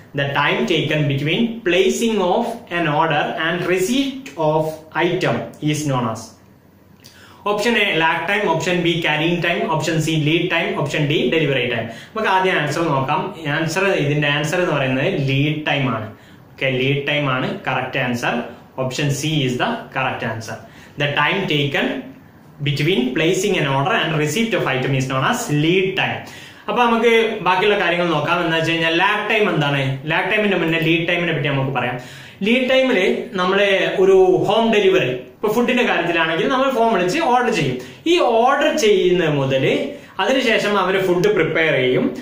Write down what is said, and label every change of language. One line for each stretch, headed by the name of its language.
English: The time taken between placing of an order and receipt of item is known as. Option A lag time, option B carrying time, option C lead time, option D delivery time.
Malayalam: നമുക്ക് ആദ്യം answer നോക്കാം. Answer, ഇതിന്റെ answer എന്ന് പറയുന്നത് lead time ആണ്. Okay, lead time ആണ് correct answer.
English: Option C is the correct answer. The time taken between placing an order and receipt of item is known as lead time.
Malayalam: അപ്പൊ നമുക്ക് ബാക്കിയുള്ള കാര്യങ്ങൾ നോക്കാം. എന്ന് വെച്ചാൽ ലാഗ് ടൈം എന്താണ്? ലാഗ് ടൈമിന്റെ മുന്നേ ലീഡ് ടൈമിനെ പറ്റി നമുക്ക് പറയാം. ലീഡ് ടൈമിൽ നമ്മള് ഒരു ഹോം ഡെലിവറി, ഇപ്പൊ ഫുഡിന്റെ കാര്യത്തിലാണെങ്കിൽ നമ്മൾ ഫോം വിളിച്ച് ഓർഡർ ചെയ്യും. ഈ ഓർഡർ ചെയ്യുന്ന മുതല് അതിനുശേഷം അവര് ഫുഡ് പ്രിപ്പയർ ചെയ്യും.